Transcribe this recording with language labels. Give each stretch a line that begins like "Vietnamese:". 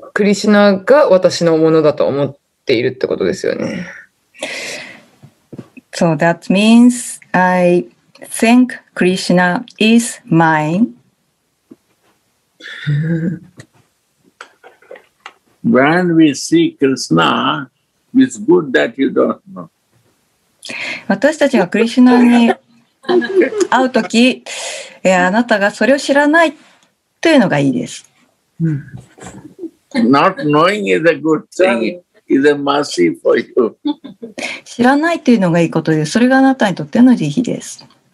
Japanese: クリシナが私のものだと思っているってことですよね。
English: So that means I think Krishna is mine. When we see Krishna, it's good that you don't know.
Japanese: 私たちがクリシナに会うとき、あなたがそれを知らないというのがいいです。
English: Not knowing is a good thing. Is a mercy for you.
Japanese: 知らないというのがいいことです。それがあなたにとっての慈悲です。